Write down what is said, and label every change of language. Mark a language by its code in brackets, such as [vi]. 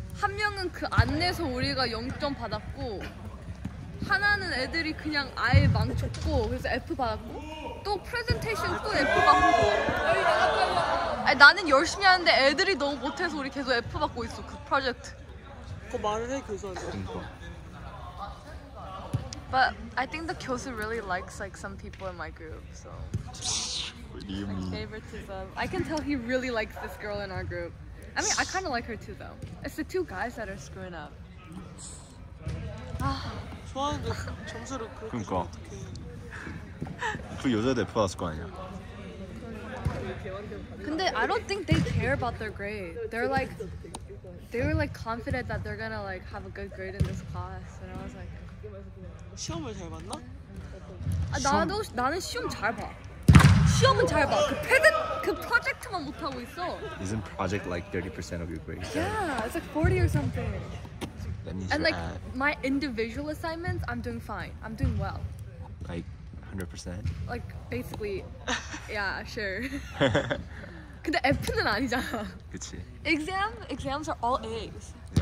[ko] 한 명은 그 안내서 우리가 0점 받았고, 하나는 애들이 그냥 아예 망쳤고, 그래서 F 받았고, 또 프레젠테이션 또 F 받고. 아니, 나는 열심히 하는데 애들이 너무 못해서 우리 계속 F 받고 있어, 그 프로젝트. 그거 말을 해, 교수한테. [en] But I think the Kyosu really likes like some people in my group, so. What do you mean? Favoritism. I can tell he really likes this girl in our group. I mean, I kind of like her too, though. It's the two guys that are screwing up. [ko] 좋아하는데 점수를 그렇게 좀 어떡해. 그 여자 대표 왔을 거 아니야. 근데 [en] I don't think they care about their grade. They're like, they were like confident that they're gonna like have a good grade in this class, and I was like. [ko] 시험을 잘 봤나? 아, 나도 나는 시험 잘 봐. 시험은 잘 봐. 그 패드 그 프로젝트만 못 하고 있어. [en] Isn't project like 30% of your grade? Yeah, it's like 40 or something. And like my individual assignments, I'm doing fine. I'm doing well. Like 100%? Like basically, yeah, sure. [ko] 근데 F는 아니잖아. 그치. [en] Exams are all A's.